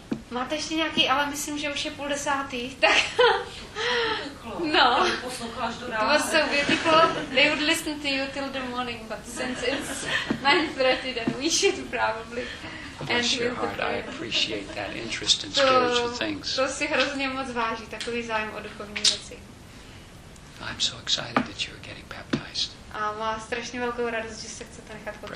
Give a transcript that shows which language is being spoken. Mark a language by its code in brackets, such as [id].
[cs] Máte ještě nějaký, ale myslím, že už je půl desátý, tak... No, to [en] was so beautiful. They would listen to you till the morning, but since it's 9:30, then we should probably end with the prayer. Bless your heart, I appreciate that interest in spiritual things. [cs] To si hrozně moc váží, takový zájem o duchovní věci. [en] I'm so excited that you're getting baptized. [cs] A má strašně velkou radost, že se chcete nechat pokřtít.